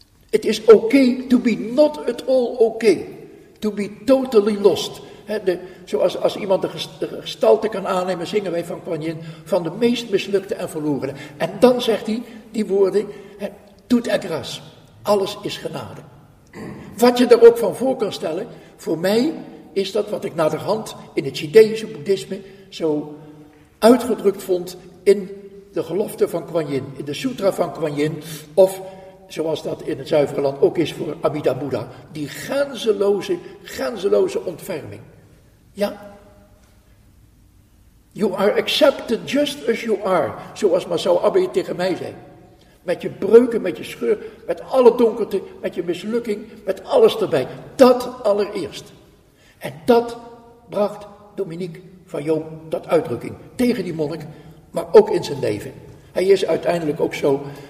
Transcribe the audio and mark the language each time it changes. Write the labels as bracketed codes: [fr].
[en] It is okay to be not at all okay. To be totally lost. [nl] Zoals iemand de gestalte kan aannemen, zingen wij van Kuan Yin, van de meest mislukte en verlorene. En dan zegt hij die woorden, [fr] tout est grâce, [nl] alles is genade. Wat je er ook van voor kan stellen, voor mij is dat wat ik naderhand in het Chinese boeddhisme zo uitgedrukt vond in de gelofte van Kuan Yin, in de sutra van Kuan Yin, of zoals dat in het zuivere land ook is voor Amida Boeddha, die grenzeloze ontferming. Ja? [en] You are accepted just as you are, [nl] zoals Masao Abe tegen mij zei. Met je breuken, met je scheur, met alle donkerte, met je mislukking, met alles erbij. Dat allereerst. En dat bracht Dominique van Joom tot uitdrukking. Tegen die monnik, maar ook in zijn leven. Hij is uiteindelijk ook zo.